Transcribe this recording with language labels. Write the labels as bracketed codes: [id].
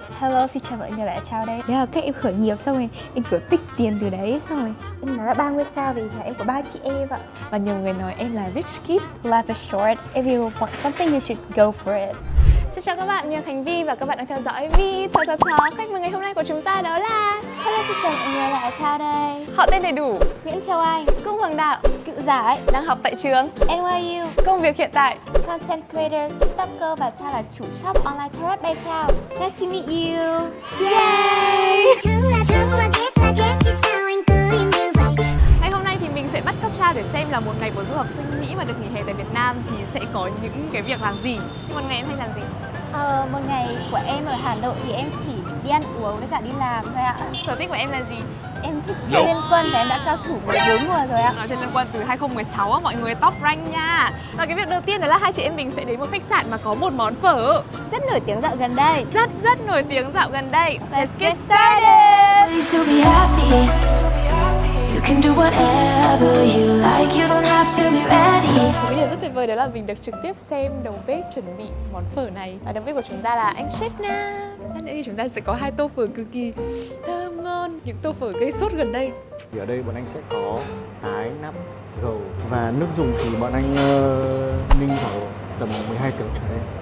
[vi] Hello, xin chào mọi người, lại chào đây. Đấy là cách em khởi nghiệp xong rồi, em cứ tích tiền từ đấy xong rồi. Em nói là 30 sao vì nhà em có 3 chị em ạ. Và nhiều người nói em là [en] rich kid. Life is short, if you want something you should go for it. [vi] Xin chào các bạn, mình là Khánh Vy và các bạn đang theo dõi Vy Thò Thò Thò. Khách mời ngày hôm nay của chúng ta đó là... Hello, xin chào mọi người, lại chào đây. Họ tên đầy đủ: Nguyễn Châu Anh, Cung Hoàng Đạo, Cự Giải, đang học tại trường NYU, công việc hiện tại [en] content creator, [vi] tiktoker và cho là chủ shop online Tarot by Chao. [en] Nice to meet you. Yay! [vi] Ngày hôm nay thì mình sẽ bắt cóc Chao để xem là một ngày của du học sinh Mỹ mà được nghỉ hè tại Việt Nam thì sẽ có những cái việc làm gì. Nhưng một ngày em hay làm gì? Một ngày của em ở Hà Nội thì em chỉ đi ăn uống với cả đi làm thôi ạ. Sở thích của em là gì? Em thích chơi liên quân và em đã cao thủ 14 mùa rồi ạ. Nói chơi liên quân từ 2016 á mọi người, top rank nha. Và cái việc đầu tiên đó là hai chị em mình sẽ đến một khách sạn mà có một món phở rất nổi tiếng dạo gần đây. Rất nổi tiếng dạo gần đây. [en] Let's get started. Please still be happy. You can do whatever you like, you don't have to be ready. [vi] Một điều rất tuyệt vời đó là mình được trực tiếp xem đầu bếp chuẩn bị món phở này. Và đầu bếp của chúng ta là anh Chef Nam. Nên chúng ta sẽ có hai tô phở cực kỳ thơm ngon, những tô phở gây sốt gần đây. Thì ở đây bọn anh sẽ có tái, nắp, gầu. Và nước dùng thì bọn anh ninh khoảng tầm 12 tiếng trở lên.